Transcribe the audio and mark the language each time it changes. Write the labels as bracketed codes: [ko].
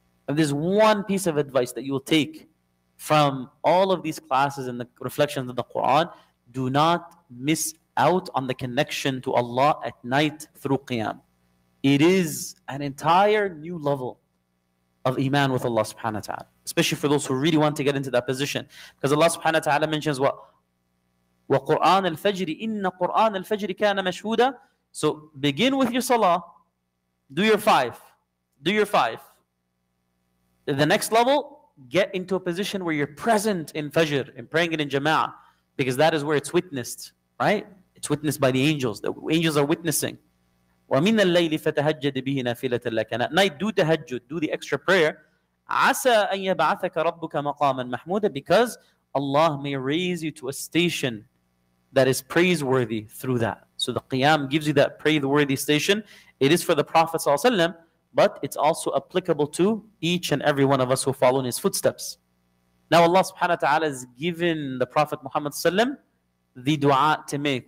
[en] And there's one piece of advice that you will take from all of these classes and the reflections of the Quran. Do not miss out on the connection to Allah at night through qiyam. It is an entire new level of iman with Allah subhanahu wa ta'ala, especially for those who really want to get into that position. Because Allah subhanahu wa ta'ala mentions what? [ar] وقرآن الفجر إن قرآن الفجر كان مشهودا. [en] So begin with your salah. Do your five. The next level, get into a position where you're present in fajr and praying it in jama'ah, because that is where it's witnessed, right? It's witnessed by the angels. The angels are witnessing. [ar] وَمِنَ اللَّيْلِ فَتَهَجَّدْ بِهِ نَافِلَةً لَكَ. [en] At night, do tahajjud, do the extra prayer. [ar] عَسَى أَن يَبْعَثَكَ رَبُّكَ مَقَامًا مَحْمُودًا. [en] Because Allah may raise you to a station that is praiseworthy through that. So the qiyam gives you that praiseworthy station. It is for the Prophet ﷺ, but it's also applicable to each and every one of us who follow in his footsteps. Now Allah subhanahu wa ta'ala has given the Prophet Muhammad ﷺ the dua to make.